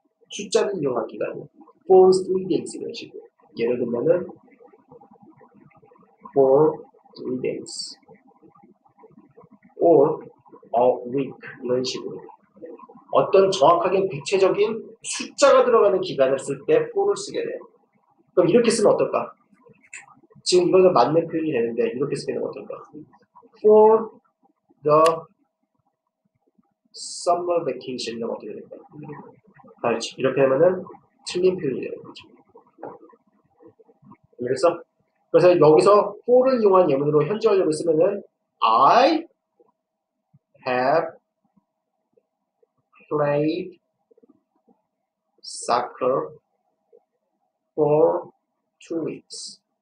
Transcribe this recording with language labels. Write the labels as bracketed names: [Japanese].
[Korean] 숫자를 이용한 기간이에요. [English] for 3 days [Korean] 이런 식으로. 예를 들면은, for 3 days. [English] or a week. [Korean] 이런 식으로. 어떤 정확하게 구체적인 숫자가 들어가는 기간을 쓸 때 for를 쓰게 돼요. 그럼 이렇게 쓰면 어떨까? 지금 이거는 맞는 표현이 되는데 이렇게 쓰면 어떨까? [English] For the summer vacation [Korean] 이라고 어떻게 될까? 알지? 이렇게 하면은 틀린 표현이 되는 거죠. 알겠어? 그래서 여기서 for를 이용한 예문으로 현재 완료를 쓰면은 [English] I have played soccer for 2 weeks.